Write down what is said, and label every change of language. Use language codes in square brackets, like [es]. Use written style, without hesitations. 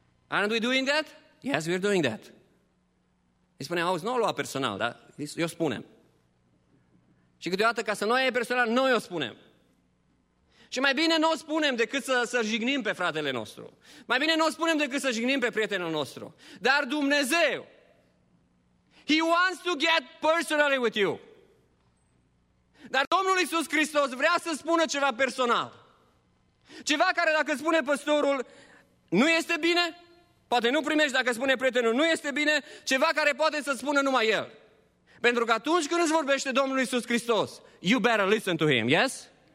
[en] Aren't we doing that? Yes, we're doing that. [ro] Îi spunem, auzi, nu o lua personal, dar eu spunem. Și câteodată, ca să nu o iei personal, noi o spunem. Și mai bine nu o spunem decât să jignim pe fratele nostru. Mai bine nu o spunem decât să jignim pe prietenul nostru. Dar Dumnezeu, [en] He wants to get personally with you. [ro] Dar Domnul Iisus Hristos vrea să spună ceva personal. Ceva care dacă spune păstorul, nu este bine, poate nu primești dacă spune prietenul, nu este bine, ceva care poate să spună numai el. Pentru că atunci când îți vorbește Domnul Iisus Hristos, [en] you better listen to Him, yes?